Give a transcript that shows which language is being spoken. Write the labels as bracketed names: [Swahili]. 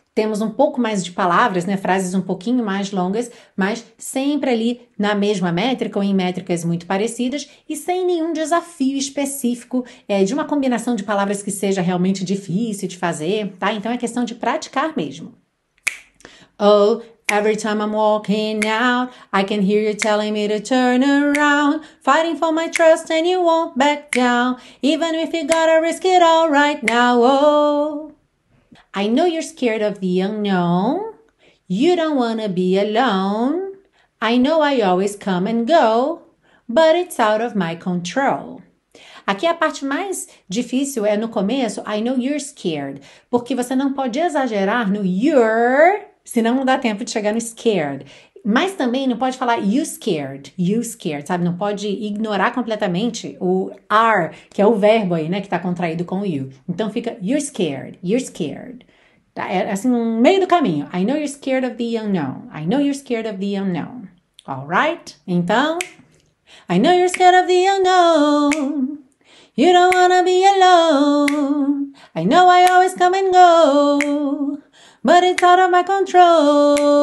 [Portuguese] temos um pouco mais de palavras, né? Frases um pouquinho mais longas, mas sempre ali na mesma métrica ou em métricas muito parecidas e sem nenhum desafio específico de uma combinação de palavras que seja realmente difícil de fazer, tá? Então é questão de praticar mesmo. [English] Oh, every time I'm walking out, I can hear you telling me to turn around. Fighting for my trust and you won't back down. Even if you gotta risk it all right now, oh. I know you're scared of the unknown. You don't wanna be alone. I know I always come and go, but it's out of my control. [Portuguese] Aqui a parte mais difícil é no começo, [English] I know you're scared, [Portuguese] porque você não pode exagerar no you're, senão não dá tempo de chegar no scared. Mas também não pode falar [English] you scared, [Portuguese] sabe? Não pode ignorar completamente o are, que é o verbo aí, né? Que tá contraído com o you. Então fica you're scared, tá? É assim, no meio do caminho. [English] I know you're scared of the unknown. I know you're scared of the unknown. All right? [Portuguese] Então, [English] I know you're scared of the unknown. You don't wanna be alone. I know I always come and go. But it's out of my control.